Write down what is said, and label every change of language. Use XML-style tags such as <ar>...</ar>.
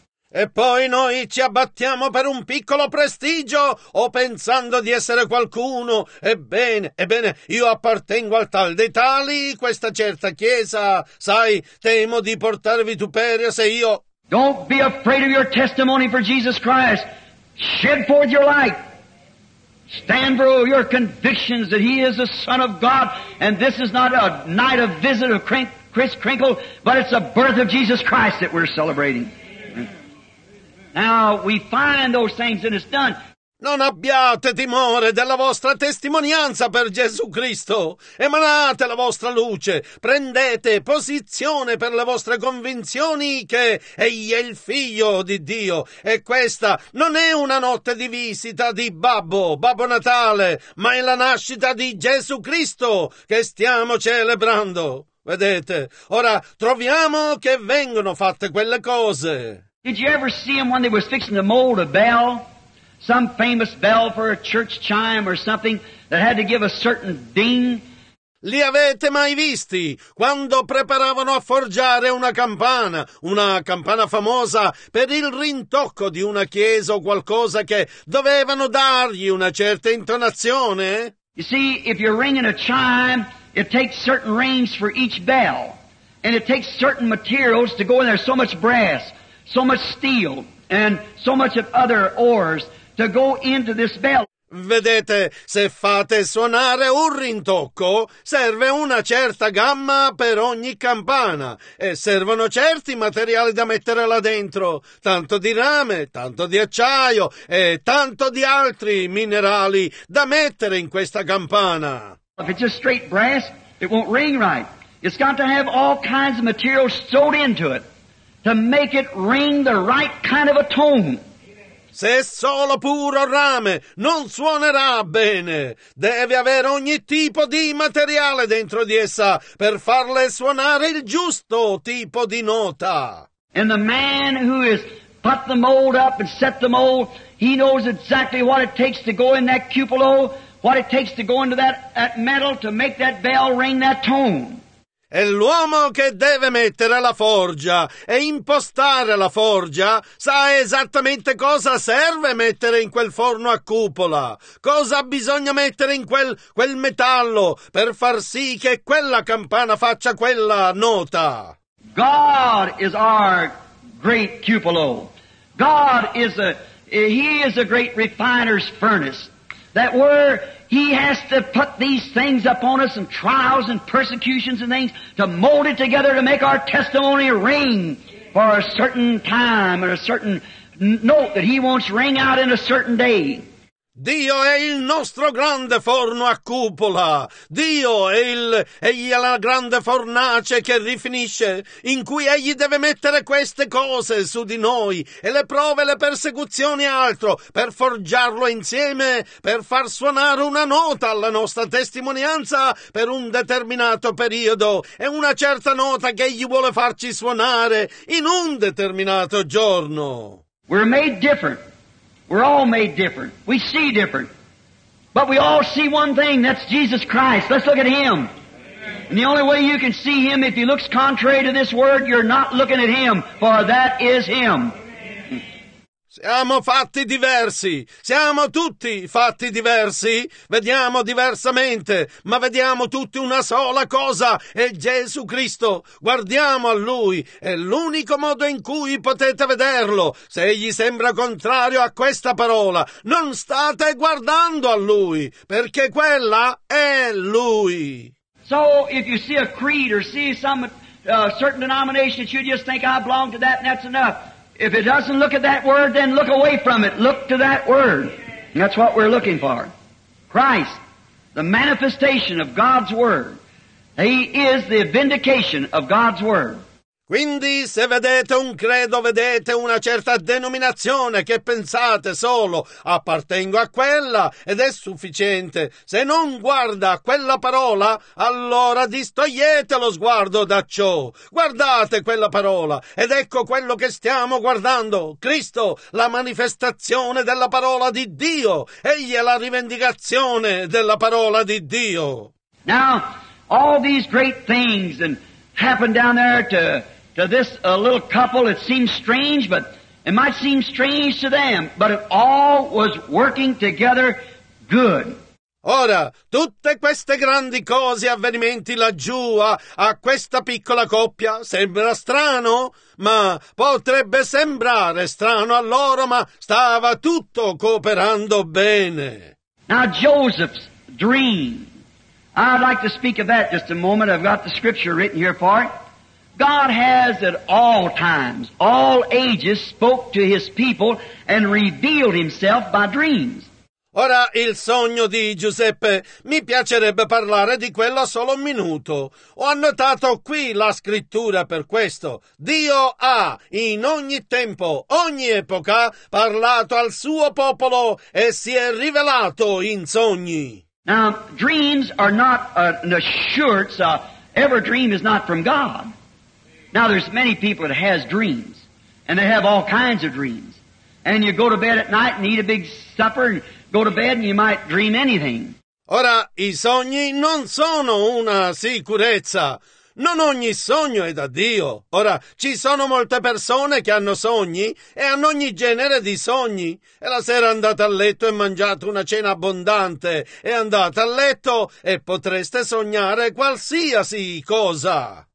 <it>E poi noi ci abbattiamo per un piccolo prestigio o pensando di essere qualcuno. Ebbene, io appartengo al tal dei tali, questa certa chiesa, sai, temo di portare vituperio se io...</it> <en>Don't be afraid of your testimony for Jesus Christ. Shed forth your light. Stand for your convictions that He is the Son of God, and this is not a night of visit of Kris Kringle, but it's the birth of Jesus Christ that we're celebrating. Now we find those things and it's done.</en> <it>Non abbiate timore della vostra testimonianza per Gesù Cristo. Emanate la vostra luce. Prendete posizione per le vostre convinzioni che Egli è il Figlio di Dio. E questa non è una notte di visita di Babbo Natale, ma è la nascita di Gesù Cristo che stiamo celebrando. Vedete? Ora troviamo che vengono fatte quelle cose.</it> <en>Did you ever see him when they were fixing the mold of Bell? Some famous bell for a church chime or something that had to give a certain ding.</en> <it>Li avete mai visti quando preparavano a forgiare una campana famosa per il rintocco di una chiesa o qualcosa che dovevano dargli una certa intonazione?</it> <en>You see, if you're ringing a chime, it takes certain rings for each bell. And it takes certain materials to go in there, so much brass, so much steel, and so much of other ores to go into this bell.</en> <it>Vedete, se fate suonare un rintocco, serve una certa gamma per ogni campana e servono certi materiali da mettere là dentro, tanto di rame, tanto di acciaio e tanto di altri minerali da mettere in questa campana.</it> <en>If it's just straight brass, it won't ring right. It's got to have all kinds of materials sewed into it to make it ring the right kind of a tone.</en> <it>Se è solo puro rame, non suonerà bene. Deve avere ogni tipo di materiale dentro di essa per farle suonare il giusto tipo di nota.</it> <en>And the man who has put the mold up and set the mold, he knows exactly what it takes to go in that cupola, what it takes to go into that metal to make that bell ring that tone.</en> <it>E l'uomo che deve mettere la forgia e impostare la forgia sa esattamente cosa serve mettere in quel forno a cupola, cosa bisogna mettere in quel metallo per far sì che quella campana faccia quella nota.</it> <en>God is our great cupola. God is a great refiner's furnace. That were He has to put these things upon us, and trials and persecutions and things, to mold it together to make our testimony ring for a certain time and a certain note that He wants ring out in a certain day.</en> <it>Dio è il nostro grande forno a cupola. Dio è egli è la grande fornace che rifinisce, in cui egli deve mettere queste cose su di noi, e le prove, le persecuzioni e altro, per forgiarlo insieme, per far suonare una nota alla nostra testimonianza per un determinato periodo, e una certa nota che egli vuole farci suonare in un determinato giorno.</it> <en>We're made different. We're all made different. We see different. But we all see one thing, that's Jesus Christ. Let's look at Him. And the only way you can see Him, if He looks contrary to this word, you're not looking at Him, for that is Him.</en> <it>Siamo fatti diversi, siamo tutti fatti diversi, vediamo diversamente, ma vediamo tutti una sola cosa, è Gesù Cristo. Guardiamo a Lui, è l'unico modo in cui potete vederlo. Se Egli sembra contrario a questa parola, non state guardando a Lui, perché quella è Lui.</it> <en>So, if you see a creed or see some certain denomination, you just think I belong to that and that's enough. If it doesn't look at that word, then look away from it. Look to that word. And that's what we're looking for. Christ, the manifestation of God's word. He is the vindication of God's word.</en> <it>Quindi, se vedete un credo, vedete una certa denominazione che pensate solo, appartengo a quella ed è sufficiente. Se non guarda quella parola, allora distogliete lo sguardo da ciò. Guardate quella parola ed ecco quello che stiamo guardando. Cristo, la manifestazione della parola di Dio. Egli è la rivendicazione della parola di Dio.</it> <en>Now, all these great things that happened down there to this little couple, it seems strange, but it might seem strange to them, but it all was working together good.</en> <it>Ora, tutte queste grandi cose e avvenimenti laggiù a questa piccola coppia sembra strano, ma potrebbe sembrare strano a loro, ma stava tutto cooperando bene.</it> <en>Now, Joseph's dream. I'd like to speak of that just a moment. I've got the scripture written here for it. God has at all times, all ages, spoke to His people and revealed Himself by dreams.</en> <it>Ora, il sogno di Giuseppe, mi piacerebbe parlare di quello solo un minuto. Ho annotato qui la scrittura per questo. Dio ha, in ogni tempo, ogni epoca, parlato al suo popolo e si è rivelato in sogni.</it> <en>Now, dreams are not an assurance. Every dream is not from God. Now, there's many people that has dreams, and they have all kinds of dreams. And you go to bed at night and eat a big supper, and go to bed and you might dream anything.</en> <it>Ora, i sogni non sono una sicurezza. Non ogni sogno è da Dio. Ora, ci sono molte persone che hanno sogni e hanno ogni genere di sogni. E la sera è andata a letto e mangiato una cena abbondante. È andata a letto e potreste sognare qualsiasi cosa.</it>